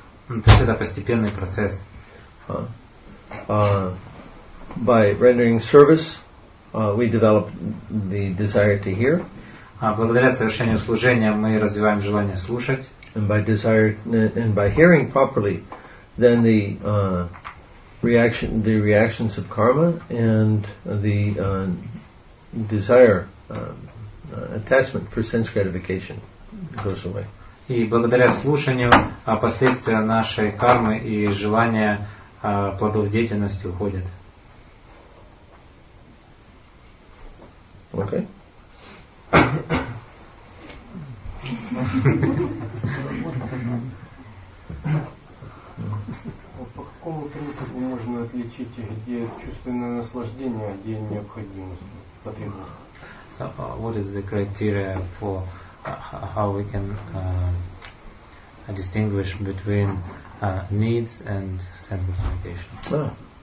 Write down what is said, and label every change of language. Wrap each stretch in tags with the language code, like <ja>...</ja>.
<ru>То есть это постепенный процесс.</ru> <en>By rendering service, we develop the desire to hear.</en> <ru>Благодаря совершению служения мы развиваем желание слушать.</ru> <en>And by desire and by hearing properly, then the reactions of karma and the desire attachment for sense gratification goes away.</en> <ru>И благодаря слушанию последствия нашей кармы и желания плодов деятельности уходят.</ru> <en>Okay.</en> <ru>По какому принципу можно отличить, где чувственное наслаждение, а где необходимость, потребность?</ru> <en>So, what is the criteria for how we can distinguish between needs and sense gratification?</en>